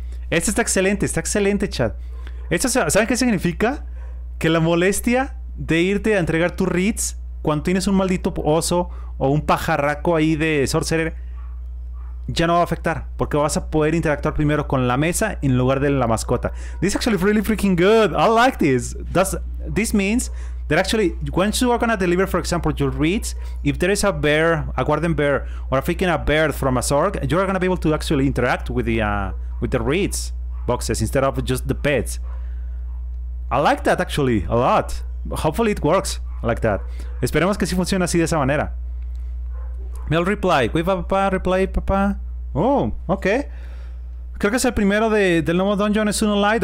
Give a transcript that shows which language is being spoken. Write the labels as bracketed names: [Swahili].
[Spanish] Este está excelente, chat. Esto, ¿saben qué significa? Que la molestia de irte a entregar tus reads cuando tienes un maldito oso o un pajarraco ahí de sorcerer ya no va a afectar, porque vas a poder interactuar primero con la mesa en lugar de la mascota. [English] This is actually really freaking good. I like this. This means that actually, once you are going to deliver, for example, your reads, if there is a bear, a guardian bear, or a freaking a bear from a sorg, you are going to be able to actually interact with the reads boxes instead of just the pets. I like that actually a lot. Hopefully it works like that. [Spanish] Esperemos que sí funcione así de esa manera. [English] Mel reply. [Spanish] Quiva papá, reply papá. Oh, ok. Creo que es el primero de, del nuevo dungeon, es un light.